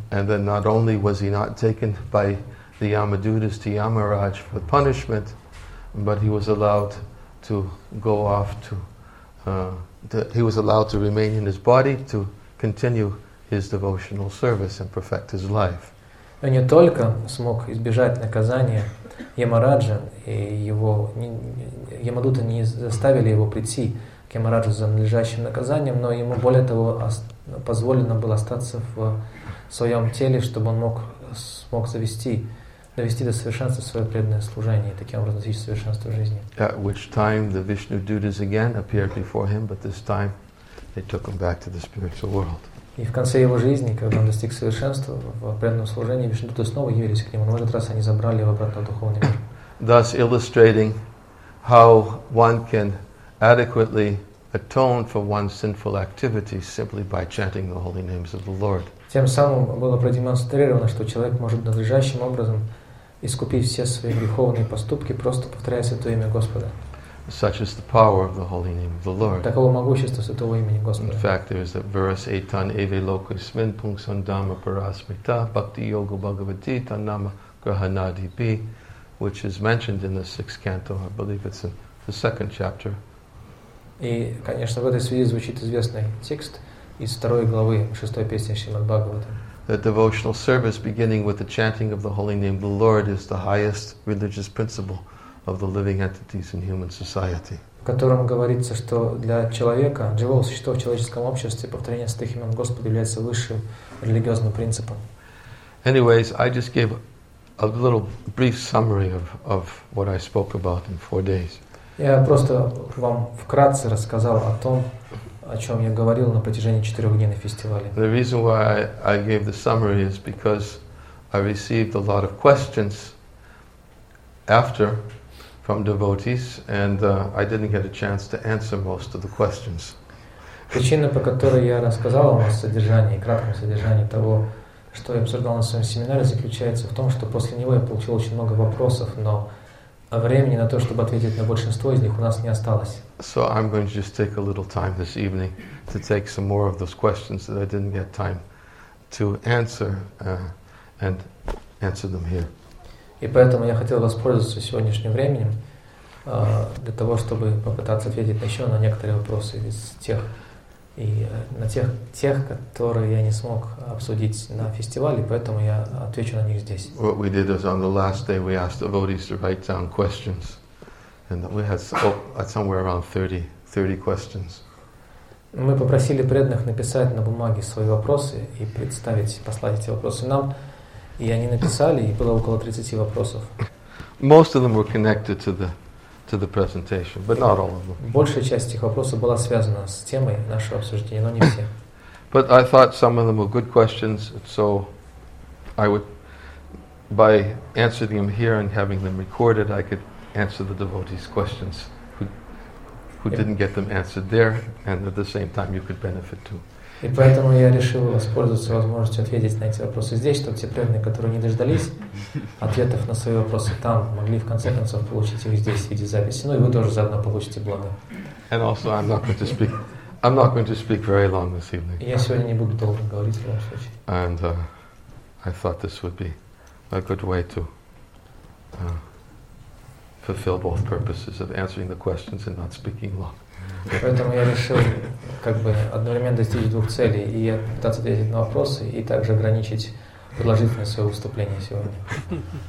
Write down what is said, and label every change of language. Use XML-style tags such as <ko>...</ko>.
<en>And then not only was he not taken by the Yamadutas to Yamaraj for punishment, but he was allowed to go off to he was allowed to remain in his body to continue his devotional service and perfect his life.</en> <ru>И не только смог избежать наказания Ямараджа, и его Ямадута не заставили его прийти к Ямараджу за надлежащим наказанием, но ему более того позволено было остаться в своем теле, чтобы он мог довести до совершенства свое преданное служение и таким образом достичь совершенства жизни.</ru> <en>At which time the Vishnudutas again appeared before him, but this time they took him back to the spiritual world.</en> <ru>И в конце его жизни, когда он достиг совершенства в преданном служении, вишнутты снова явились к нему. Но в этот раз они забрали его обратно в духовный мир.</ru> <en>Thus illustrating how one can adequately atone for one's sinful activities simply by chanting the holy names of the Lord.</en> <ru>Тем самым было продемонстрировано, что человек может надлежащим образом искупить все свои греховные поступки, просто повторяя святое имя Господа.</ru> <en>Such is the power of the holy name of the Lord.</en> <ru>Таково могущество святого имени Господа.</ru> <en>In fact, there is a verse:</en> <sa>Etan eve lokasmin punksan dhamma parasmita bhakti yoga bhagavati tanama grahanadi bi,</sa> <en>which is mentioned in the sixth canto. I believe it's in the second chapter.</en> <ru>И, конечно, в этой связи звучит известный текст из второй главы шестой песни Шримад Бхагаватам.</ru> <en>The devotional service beginning with the chanting of the holy name of the Lord is the highest religious principle of the living entities in human society.</en> <ru>В котором говорится, что для человека, живого существа в человеческом обществе, повторение святых имен Господа является высшим религиозным принципом.</ru> <en>Anyways, I just gave a little brief summary of what I spoke about in 4 days.</en> <ru>Я просто вам вкратце рассказал о том, о чем я говорил на протяжении 4 дней на фестивале.</ru> <en>The reason why I gave the summary is because I received a lot of questions after from devotees, and I didn't get a chance to answer most of the questions.</en> <ru>Причина, по которой я рассказал вам о содержании, кратком содержании того, что я обсуждал на своем семинаре, заключается в том, что после него я получил очень много вопросов, но времени на то, чтобы ответить на большинство из них, у нас не осталось.</ru> <en>So I'm going to just take a little time this evening to take some more of those questions that I didn't get time to answer, and answer them here.</en> <ru>И поэтому я хотел воспользоваться сегодняшним временем для того, чтобы попытаться ответить еще на некоторые вопросы из тех, и на тех, которые я не смог обсудить на фестивале, поэтому я отвечу на них здесь.</ru> <en>What we did was on the last day we asked devotees to write down questions, and we had somewhere around 30 questions.</en> <ru>Мы попросили преданных написать на бумаге свои вопросы и послать эти вопросы нам. И они написали, и было около 30 вопросов.</ru> <en>Most of them were connected to the presentation, but not all of them.</en> <ru>Большая часть этих вопросов была связана с темой нашего обсуждения, но не все.</ru> <en>But I thought some of them were good questions, so I would, by answering them here and having them recorded, I could answer the devotees' questions who didn't get them answered there, and at the same time you could benefit too.</en> <ru>И поэтому я решил воспользоваться возможностью ответить на эти вопросы здесь, чтобы те преданные, которые не дождались ответов на свои вопросы там, могли в конце концов получить их здесь в виде записи. Ну и вы тоже заодно получите благо.</ru> <en>And also I'm not going to speak very long this evening.</en> <ru>Я сегодня не буду долго говорить, в любом случае.</ru> <en>And I thought this would be a good way to fulfill both purposes of answering the questions and not speaking long.</en> <ru>Поэтому я решил как бы одновременно достичь двух целей и пытаться ответить на вопросы и также ограничить продолжительность своего выступления сегодня.</ru>